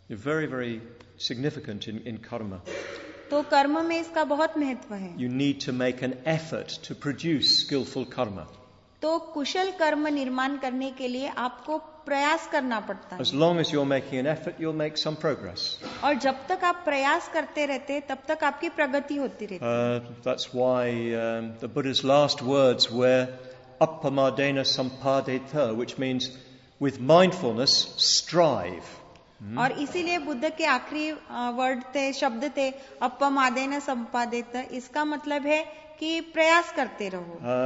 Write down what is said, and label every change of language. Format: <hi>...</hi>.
<en>Very very significant in karma.</en> <hi>तो कर्म में इसका बहुत महत्व है.</hi> <en>You need to make an effort to produce skillful karma.</en> <hi>तो कुशल कर्म निर्माण करने के लिए आपको प्रयास करना पड़ता है.</hi> <en>As long as you're making an effort, you'll make some progress.</en> <hi>और जब तक आप प्रयास करते रहते तब तक आपकी प्रगति होती रहती है.</hi> <en>That's why the Buddha's last words were</en> <pi>appamadena sampadetha,</pi> <en>which means with mindfulness strive.</en> <hi>और इसीलिए बुद्ध के आखिरी वर्ड थे शब्द थे</hi> <pi>अपमादेन संपादित.</pi> <hi>इसका मतलब है कि प्रयास करते रहो.</hi>